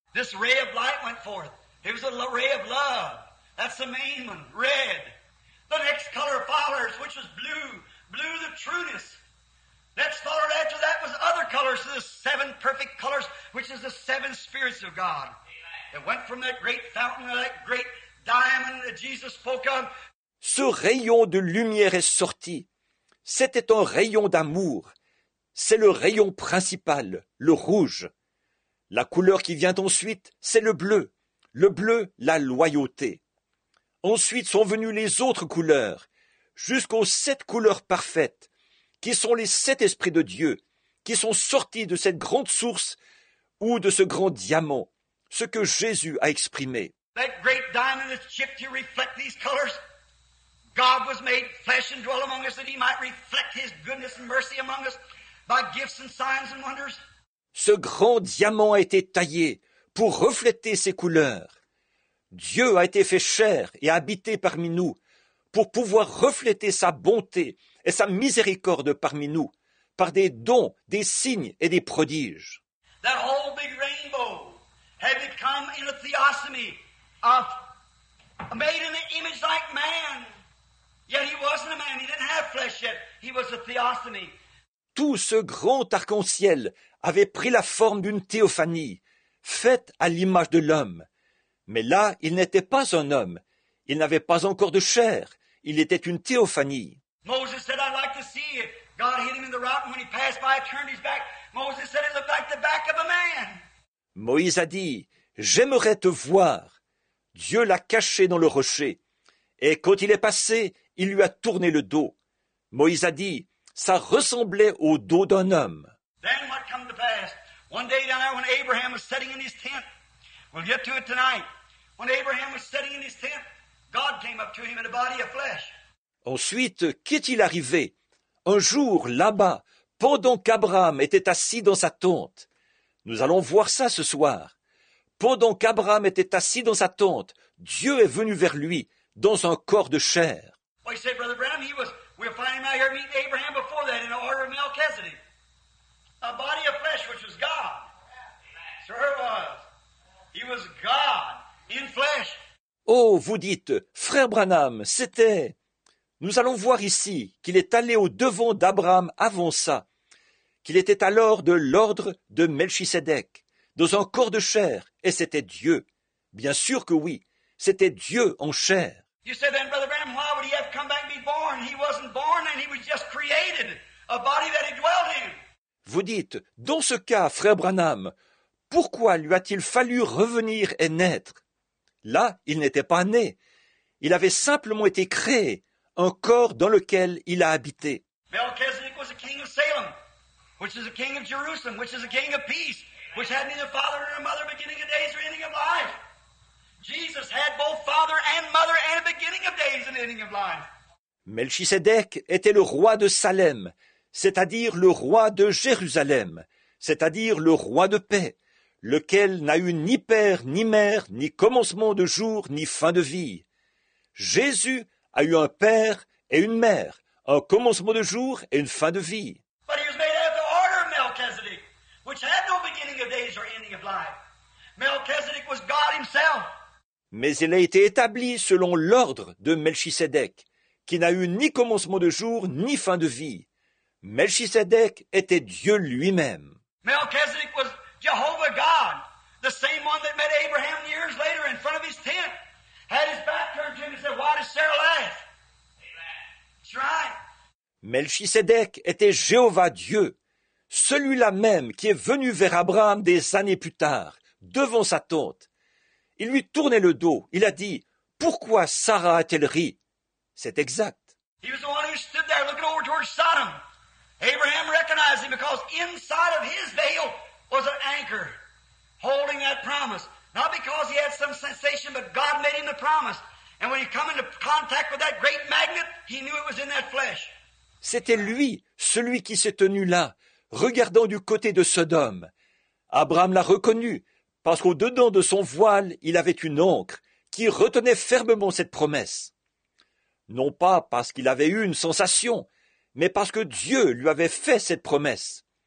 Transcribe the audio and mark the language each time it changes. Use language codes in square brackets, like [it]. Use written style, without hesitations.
[en] This ray of light went forth. It was a ray of love. That's the main one, red. The next color follows, which was blue. Blue, the trueness. Next color after that was other colors, so the seven perfect colors, which is the seven spirits of God. It went from that great fountain, that great diamond that Jesus spoke of. [fr] Ce rayon de lumière est sorti. C'était un rayon d'amour. C'est le rayon principal, le rouge. La couleur qui vient ensuite, c'est le bleu. Le bleu, la loyauté. Ensuite sont venues les autres couleurs, jusqu'aux sept couleurs parfaites, qui sont les sept esprits de Dieu, qui sont sortis de cette grande source ou de ce grand diamant, ce que Jésus a exprimé. [en] That great diamond that's chipped to reflect these colors. God was made flesh and dwelt among us that he might reflect his goodness and mercy among us by gifts and signs and wonders. [fr] Ce grand diamant a été taillé pour refléter ses couleurs. Dieu a été fait chair et a habité parmi nous pour pouvoir refléter sa bonté et sa miséricorde parmi nous par des dons, des signes et des prodiges. [en] That whole big rainbow had become in a theosomy of made in the image like man. Yet he wasn't a man, he didn't have flesh yet, he was a theosomy. [fr] Tout ce grand arc-en-ciel avait pris la forme d'une théophanie, faite à l'image de l'homme. Mais là, il n'était pas un homme. Il n'avait pas encore de chair. Il était une théophanie. [en] Moses said, I'd like to see it. God hit him in the rock, and when he passed by, turned his back. Moses said, it looked like the back of a man. [fr] Moïse a dit, j'aimerais te voir. Dieu l'a caché dans le rocher. Et quand il est passé, il lui a tourné le dos. Moïse a dit, ça ressemblait au dos d'un homme. [en] Then what come to pass? One day down there when Abraham was sitting in his tent, we'll get to it tonight. When Abraham was sitting in his tent, God came up to him in a body of flesh. [fr] Ensuite, qu'est-il arrivé? Un jour, là-bas, pendant qu'Abraham était assis dans sa tente, nous allons voir ça ce soir. Pendant qu'Abraham était assis dans sa tente, Dieu est venu vers lui dans un corps de chair. [en] Well, you say, Brother Branham, he was. We'll find him out here meeting Abraham before that in the order of Melchizedek. A body of flesh, which was God. Sure was. He was God in flesh. [fr] Oh, vous dites, frère Branham, c'était... Nous allons voir ici qu'il est allé au-devant d'Abraham avant ça, qu'il était alors de l'ordre de Melchisédek, dans un corps de chair, et c'était Dieu. Bien sûr que oui, c'était Dieu en chair. [en] You said then, Brother Branham, why would he have come back and be born? He wasn't born and he was just created, a body that he dwelt in. [fr] Vous dites, dans ce cas, frère Branham, pourquoi lui a-t-il fallu revenir et naître? Là, il n'était pas né. Il avait simplement été créé, un corps dans lequel il a habité. [en] Melchizedek was a king of Salem, which is a king of Jerusalem, which is a king of peace, which had neither father nor mother, beginning of days or ending of life. Jesus had both father and mother and a beginning of days and ending of life. [fr] Melchisédek était le roi de Salem, c'est-à-dire le roi de Jérusalem, c'est-à-dire le roi de paix, lequel n'a eu ni père, ni mère, ni commencement de jour, ni fin de vie. Jésus a eu un père et une mère, un commencement de jour et une fin de vie. [en] But he was made after the order of Melchizedek, which had no beginning of days or ending of life. Melchizedek was God himself. [fr] Mais il a été établi selon l'ordre de Melchisédek, qui n'a eu ni commencement de jour, ni fin de vie. Melchisédek était Dieu lui-même. [en] Melchizedek was Jehovah God, the same one that met Abraham years later in front of his tent, had his back turned to him and said, why does Sarah laugh? Amen. That's right. [fr] Melchisédek était Jéhovah Dieu, celui-là même qui est venu vers Abraham des années plus tard, devant sa tente. Il lui tournait le dos. Il a dit, « Pourquoi Sarah a-t-elle ri ?» C'est exact. [en] He was the one who stood there looking over towards Sodom. Abraham recognized him because inside of his veil was an anchor holding that promise. Not because he had some sensation, but God made him the promise. And when he came into contact with that great magnet, he knew it was in that flesh. [fr] C'était lui, celui qui s'est tenu là, regardant du côté de Sodome. Abraham l'a reconnu. Parce qu'au-dedans de son voile, il avait une encre qui retenait fermement cette promesse. Non pas parce qu'il avait eu une sensation, mais parce que Dieu lui avait fait cette promesse.